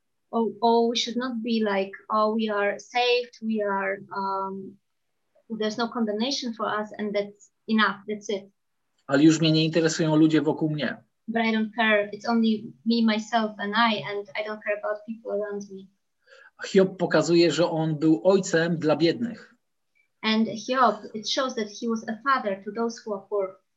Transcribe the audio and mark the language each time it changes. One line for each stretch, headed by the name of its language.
English: Oh, we should not be like, oh, we are saved, we are, there's no condemnation for us, and that's enough, that's it.
Polish: Ale już mnie nie interesują ludzie wokół mnie.
English: But I don't care, it's only me, myself, and I don't care about people around me.
Polish: Hiob pokazuje, że on był ojcem dla biednych.
English: And Hiob, it shows that he was a father to those who are poor.